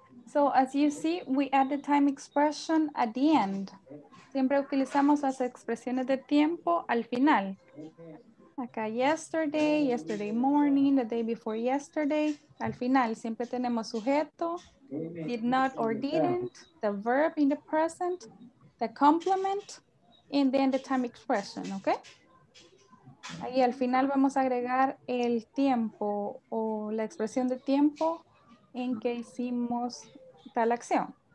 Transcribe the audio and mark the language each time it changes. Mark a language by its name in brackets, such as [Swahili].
[English] So as you see, we add the time expression at the end. [Spanish] Siempre utilizamos las expresiones de tiempo al final. [English] Acá yesterday, yesterday morning, the day before yesterday. [Spanish] Al final siempre tenemos sujeto, [English] did not or didn't, the verb in the present, the complement, and then the time expression, okay? [Spanish] Ahí al final vamos a agregar el tiempo o la expresión de tiempo en que hicimos tal acción.